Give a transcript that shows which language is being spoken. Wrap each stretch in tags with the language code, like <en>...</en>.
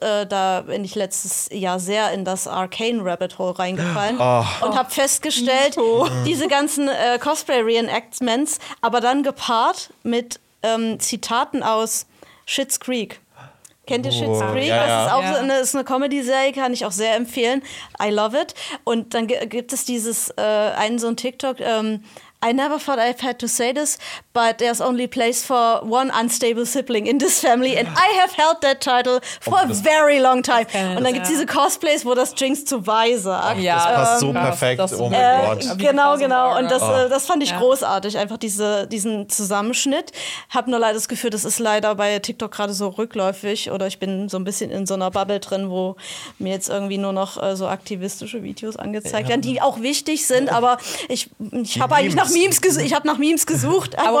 <de>Da bin ich letztes Jahr sehr in das Arcane Rabbit Hole reingefallen und habe festgestellt, diese ganzen Cosplay-Reenactments, aber dann gepaart mit Zitaten aus Schitt's Creek. Kennt ihr Schitt's Creek? Ja, das ist auch eine Comedy-Serie, kann ich auch sehr empfehlen.</de> <en>I love it.</en> <de>Und dann gibt es dieses einen so ein TikTok.</de> <en>I never thought I've had to say this, but there's only place for one unstable sibling in this family and I have held that title for a very long time.</en> <de>Und dann gibt es diese Cosplays, wo das Jinx zu Vi sagt. Ja, das passt so perfekt, oh mein Gott. Genau. Und das fand ich großartig, einfach diesen Zusammenschnitt. Hab nur leider das Gefühl, das ist leider bei TikTok gerade so rückläufig oder ich bin so ein bisschen in so einer Bubble drin, wo mir jetzt irgendwie nur noch so aktivistische Videos angezeigt werden, die auch wichtig sind, aber ich habe eigentlich nach Memes gesucht.</de>